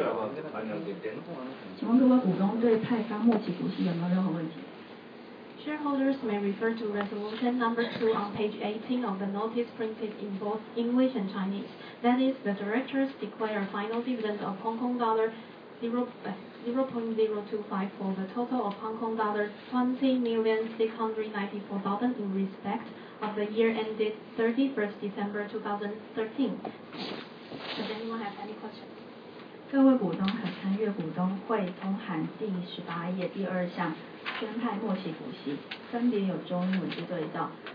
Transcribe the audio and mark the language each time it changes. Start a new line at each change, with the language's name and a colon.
Chinese: 请问各位股东对派发末期股息有没有任何问题？
English: Shareholders may refer to resolution number 2 on page 18 of the notice printed in both English and Chinese. That is, the directors declare a final dividend of Hong Kong dollar 0.0254 for the total of Hong Kong dollar 20,694,000 in respect of the year ended 31st December 2013. Does anyone have any questions?
Chinese: 各位股东可参阅股东会通函第18页第二项宣派末期股息，分别有中英文字对照。